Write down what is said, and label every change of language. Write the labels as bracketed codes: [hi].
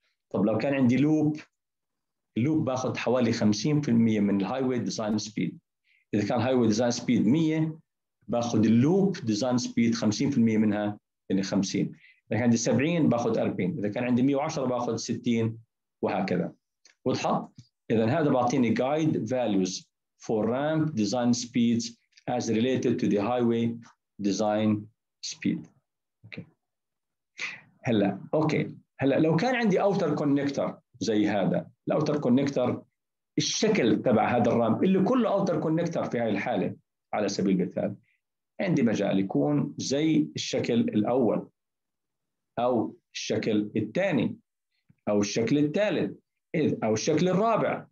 [ar] طب لو كان عندي لوب، اللوب باخذ حوالي 50% من الهاي واي ديزاين سبيد. اذا كان الهاي واي ديزاين سبيد 100، باخذ اللوب ديزاين سبيد 50% منها، يعني 50. اذا كان عندي 70 باخذ 40، اذا كان عندي 110 باخذ 60، وهكذا. واضحه؟ اذا هذا بعطيني [en] guide values for ramp design speeds as related to the highway design speed. [ar] اوكي. هلا لو كان عندي outer connector زي هذا، الاوتر كونكتر الشكل تبع هذا الرامب اللي كله اوتر كونكتر في هاي الحاله على سبيل المثال، عندي مجال يكون زي الشكل الاول او الشكل الثاني او الشكل الثالث او الشكل الرابع.